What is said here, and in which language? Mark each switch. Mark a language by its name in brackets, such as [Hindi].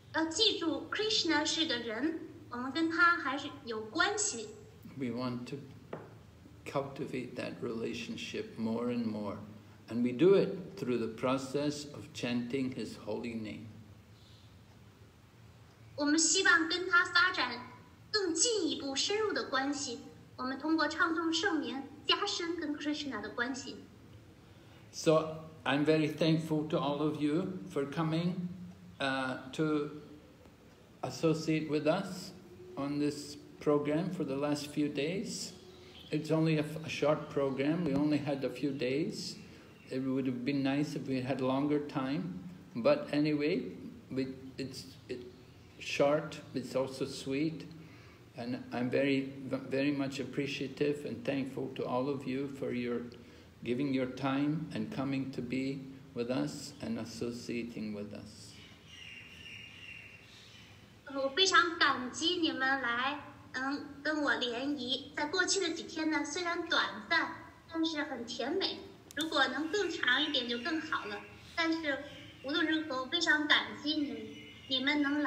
[Chinese] 记住 ，Krishna 是个人，我们跟他还是有关系。 [English] We want to cultivate that relationship more and more, and we do it through the process of chanting his holy name. [Chinese] 我们希望跟他发展更进一步深入的关系。我们通过唱诵圣名。 [English] So I'm very thankful to all of you for coming to associate with us on this program for the last few days. It's only a short program. We only had a few days. It would have been nice if we had longer time. But anyway, it's short, it's also sweet. And I'm very, very much appreciative and thankful to all of you for your giving your time and coming to be with us and associating with us. [Chinese] 我非常感激你们来，跟我联谊。在过去的几天呢，虽然短暂，但是很甜美。如果能更长一点就更好了。但是无论如何，我非常感激你们。